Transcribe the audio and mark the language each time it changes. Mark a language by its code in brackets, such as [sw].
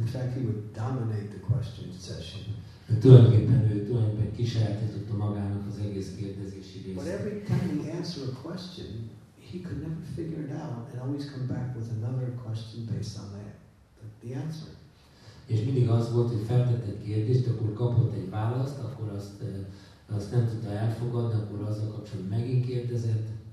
[en] In fact, he would dominate the question session. [hu] Tulajdonképpen kisajátította magának az egész kérdezési részt. [en] But every time he answered a question, he could never figure it out and always come back with another question based on the answer. [hu] És mindig az volt, hogy feltett egy kérdést, akkor kapott egy választ, akkor azt nem tudta elfogadni, akkor azzal kapcsolatban megint kérdezett.